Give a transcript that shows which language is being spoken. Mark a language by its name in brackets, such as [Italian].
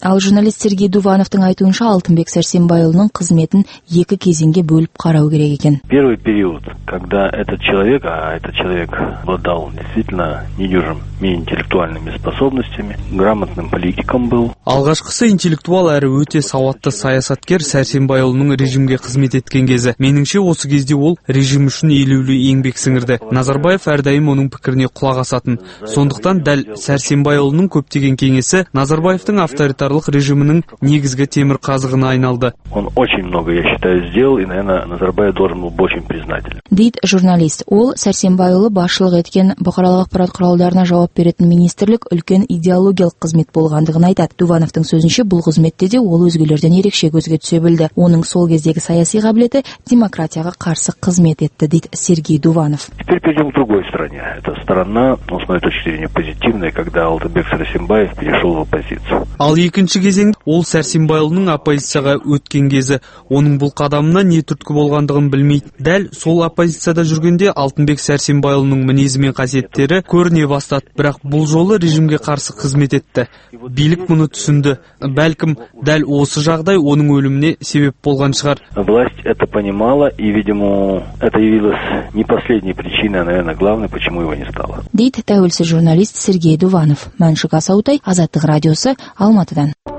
[Kazakh] Ал журналист Сергей Дувановтың айтуынша Алтынбек Сәрсенбайұлының қызметін екі кезеңге бөліп қарау керек екен. [Russian] Первый период, когда этот человек обладал действительно недюжинными интеллектуальными способностями, грамотным политиком был. [Kazakh] Алғашқысы интеллектуал әрі өте сауатты саясаткер Сәрсенбайұлының режимге қызмет еткен кезі. Меніңше осы кезде ол режим үшін елеулі еңбек сіңірді. Назарбаев әрдайым оның пікіріне құлақ асатын. Сондықтан дәл Сәрсенбайұлының көптеген кеңесі Назарбаевтың авторитарлық режимінің негізгі темір қазығына айналды. [Russian] Он очень много, я считаю, сделал, и, наверное, Назарбаев должен был очень признателен. [Kazakh] Дейт журналист. Ол Сәрсенбайұлы басшылық еткен бұқаралық ақпарат құралдарына жауап беретін министрлік үлкен идеологиялық қызмет болғандығын айтады. Дувановтың сөзінше, бұл қызметте де ол өзгелерден ерекше көзге түсе білді. Оның сол кездегі саяси қабілеті демократ қарсы қызмет етті, дейді Сергей Дуванов. [Russian] Теперь перейдем к другой стороне. Эта сторона, с моей точки зрения, позитивная, когда Алтынбек Сәрсенбаев перешел в оппозицию. [Kazakh] Ал екінші кезең ол Сәрсенбайұлының оппозицияға өткен кезі. Оның бұл қадамына не түрткі болғандығын білмейді. Дәл сол оппозицияда жүргенде Алтынбек Сәрсенбайұлының мінезі мен қасиеттері көріне бастады, бірақ бұл жолы режимге қарсы қызмет етті. Билік мұны түсінді. Бәлкім дәл осы жағдай оның өліміне себеп болған шығар. [Russian] Власть это понимала. И, видимо, это явилось не последней причиной, а, наверное, главной, почему его не стало. [Kazakh] Дейт тәуелсі журналист Сергей Дуванов. Мәншік Асаутай, Азаттық радиосы, Алматыдан.